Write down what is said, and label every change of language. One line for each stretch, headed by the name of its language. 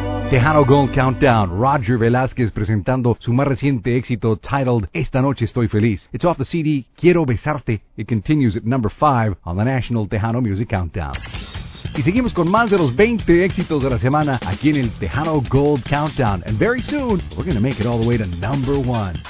Spanish: Tejano Gold Countdown, Roger Velázquez presentando su más reciente éxito titled Esta Noche Estoy Feliz.
English: It's off the CD Quiero Besarte. It continues at number 5 on the National Tejano Music Countdown.
Spanish: Y seguimos con más de los 20 éxitos de la semana aquí en el Tejano Gold Countdown.
English: And very soon, we're going to make it all the way to number 1.